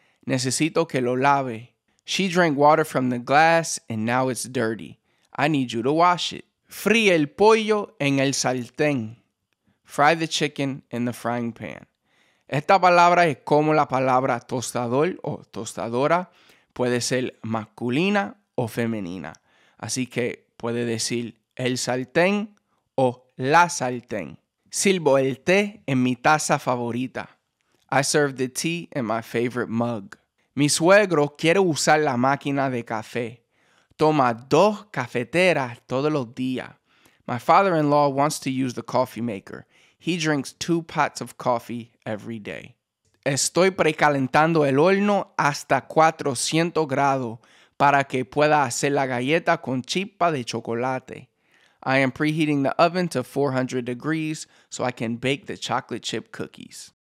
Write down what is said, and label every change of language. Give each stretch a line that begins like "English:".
Spanish: Necesito que lo lave.
English: She drank water from the glass and now it's dirty. I need you to wash it.
Spanish: Fríe el pollo en el sartén.
English: Fry the chicken in the frying pan.
Spanish: Esta palabra es como la palabra tostador o tostadora. Puede ser masculina o femenina. Así que puede decir el sartén o la sartén. Sirvo el té en mi taza favorita.
English: I serve the tea in my favorite mug.
Spanish: Mi suegro quiere usar la máquina de café. Toma dos cafeteras todos los días.
English: My father-in-law wants to use the coffee maker. He drinks two pots of coffee every day.
Spanish: Estoy precalentando el horno hasta 400 grados para que pueda hacer la galleta con chispa de chocolate.
English: I am preheating the oven to 400 degrees so I can bake the chocolate chip cookies.